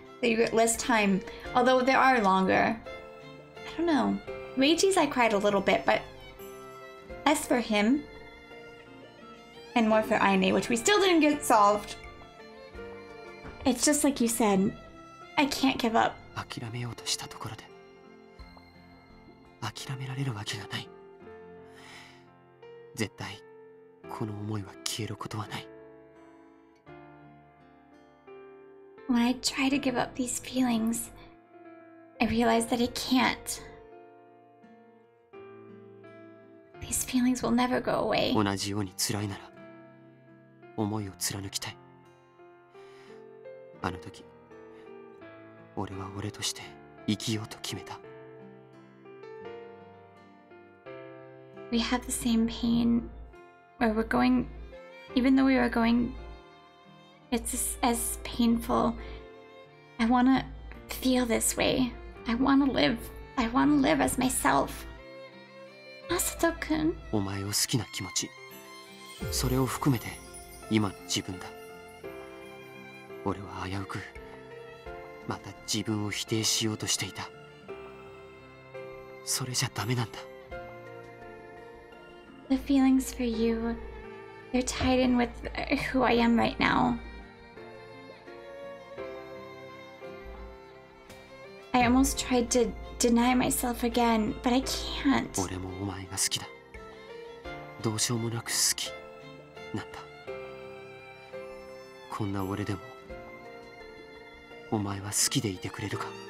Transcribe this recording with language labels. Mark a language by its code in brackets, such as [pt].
[en] So you get less time, although they are longer. I don't know. Reiji's I cried a little bit, but less for him and more for Aine, which we still didn't get solved. It's just like you said, I can't give up. [ja] 諦めようとしたところで諦められるわけがない。絶対この思いは消えることはない。 [en] When I try to give up these feelings, I realize that I can't. These feelings will never go away. [ja] 同じように辛いなら、思いを貫きたい。あの時、俺は俺として生きようと決めた。 [en] We have the same pain, where we're going, even though we are going, it's as painful. I want to feel this way. I want to live. I want to live as myself. マサト君、 [ja] お前を好きな気持ち、それを含めて今の自分だ。俺は危うくまた自分を否定しようとしていた。それじゃダメなんだ。 [en] The feelings for you, they're tied in with who I am right now. I almost tried to deny myself again, but I can't. [ja] 俺もお前が好きだ。どうしようもなく好きなんだ。こんな俺でもお前は好きでいてくれるか。